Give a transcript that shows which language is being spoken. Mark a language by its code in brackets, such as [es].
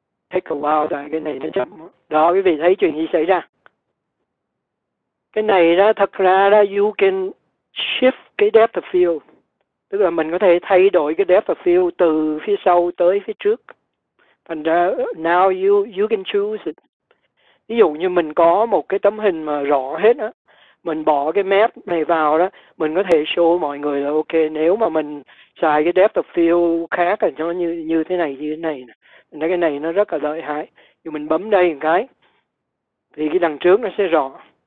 [en] Take a while, [vi] tại cái này nó chậm. Đó, quý vị thấy chuyện gì xảy ra. Cái này đó, thật ra đó, [en] you can shift [vi] cái depth of field. Tức là mình có thể thay đổi cái depth of field từ phía sau tới phía trước. Thành ra, [en] now you can choose it. [vi] Ví dụ như mình có một cái tấm hình mà rõ hết á. Mình bỏ cái map này vào đó, mình có thể show mọi người là ok, nếu mà mình xài cái depth of field khác là cho nó như thế này, như thế này. Nên cái này nó rất là lợi hại. Thì mình bấm đây một cái, thì cái đằng trước nó sẽ rõ.